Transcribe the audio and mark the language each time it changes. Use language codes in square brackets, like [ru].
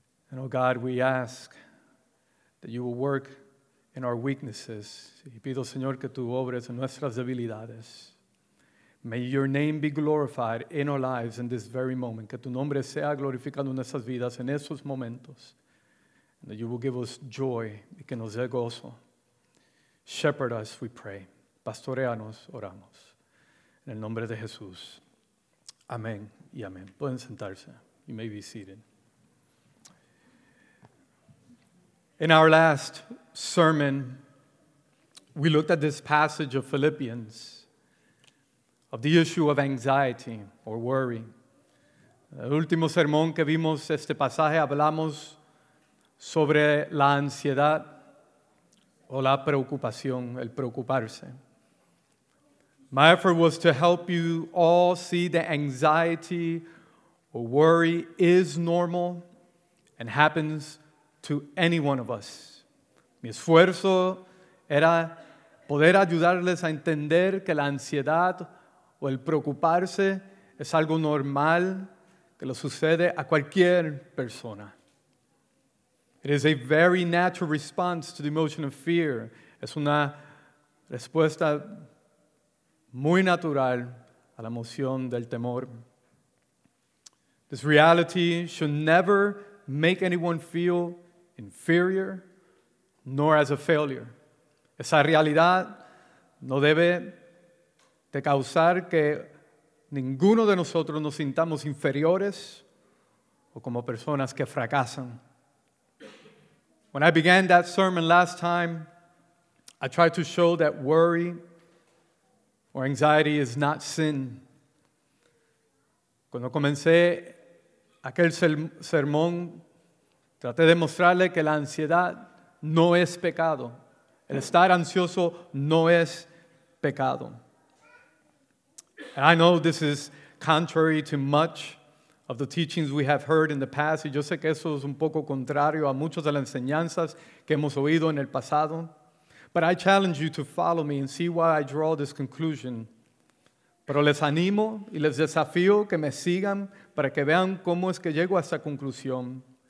[en] And oh God, we ask that you will work in our weaknesses. [es] Y pido, Señor, que tú obres en nuestras debilidades. [en] May your name be glorified in our lives in this very moment. [es] Que tu nombre sea glorificado en nuestras vidas en esos momentos. [en] And that you will give us joy [es] y que nos dé gozo. [en] Shepherd us, we pray. [es] Pastoreanos, oramos. En el nombre de Jesús. Amén y amén. Pueden sentarse. [en] You may be seated. In our last sermon, we looked at this passage of Philippians, of the issue of anxiety or worry. [es] El último sermón que vimos este pasaje hablamos sobre la ansiedad o la preocupación, el preocuparse. [en] My effort was to help you all see that anxiety or worry is normal and happens to any one of us. [es] Mi esfuerzo era poder ayudarles a entender que la ansiedad o el preocuparse es algo normal que lo sucede a cualquier persona. [en] It is a very natural response to the emotion of fear. [es] Es una respuesta muy natural a la emoción del temor. [en] This reality should never make anyone feel inferior nor as a failure. [es] Esa realidad no debe de causar que ninguno de nosotros nos sintamos inferiores o como personas que fracasan. [en] When I began that sermon last time, I tried to show that worry or anxiety is not sin. [es] Cuando comencé aquel sermón, traté de mostrarle que la ansiedad no es pecado. El estar ansioso no es pecado. [en] And I know this is contrary to much of the teachings we have heard in the past. [es] Y yo sé que eso es un poco contrario a muchas de las enseñanzas que hemos oído en el pasado. [en] But I challenge you to follow me and see why I draw this conclusion. [es] Pero les animo y les desafío que me sigan para que vean cómo es que llego a esta conclusión.